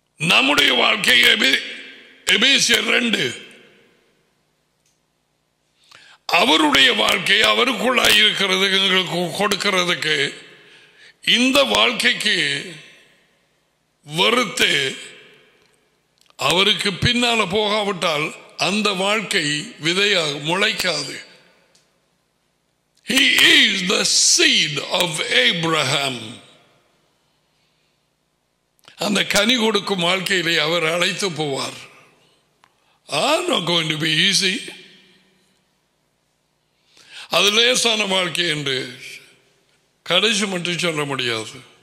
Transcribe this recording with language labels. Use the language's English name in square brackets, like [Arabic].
[Tamil] நம்முடைய வாழ்க்கை எபேசியர் 2, அவருடைய வாழ்க்கை அவருக்குள்ளாய் இருக்கிறது. எங்களுக்கு கொடுக்கிறதுக்கு இந்த வாழ்க்கைக்கு வருத்து அவருக்கு பின்னால போகாவிட்டால் அந்த வாழ்க்கை விதையாக முளைக்காது. [English] He is the seed of Abraham. [Tamil] அந்த கனி கொடுக்கும் வாழ்க்கையிலே அவர் அழைத்து போவார். [English] Not going to be easy. [Tamil] அது லேசான வாழ்க்கை என்று கடைசி மட்டும் சொல்ல முடியாது.